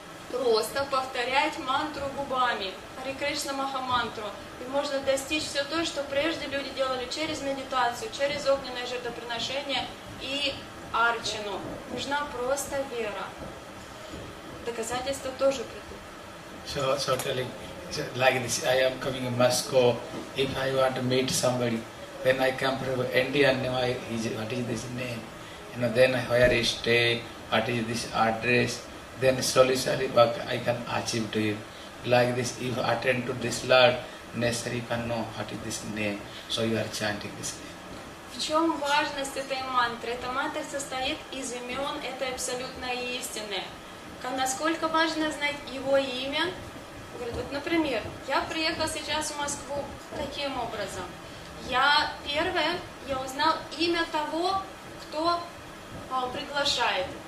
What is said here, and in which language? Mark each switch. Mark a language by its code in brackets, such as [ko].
[ru] Просто повторять мантру губами, Хари Кришна Махамантру. И можно достичь все то, что прежде люди делали через медитацию, через огненное жертвоприношение и арчану. Нужна просто вера. Доказательства тоже придут. [en] So telling, so like this, I am coming in Moscow, if I want to meet somebody, when I come from India, what is this name, you know, then where I stay, what is this address, then slowly what I can achieve to him. Like this, if attend to this Lord, necessary can know what is this name, so you are chanting this name. [ru] В чем важность этой мантры? Эта мантра состоит из имен этой абсолютной истины. Насколько важно знать его имя? Говорит, вот, например, я приехал сейчас в Москву. Каким образом? Я узнал имя того, кто приглашает.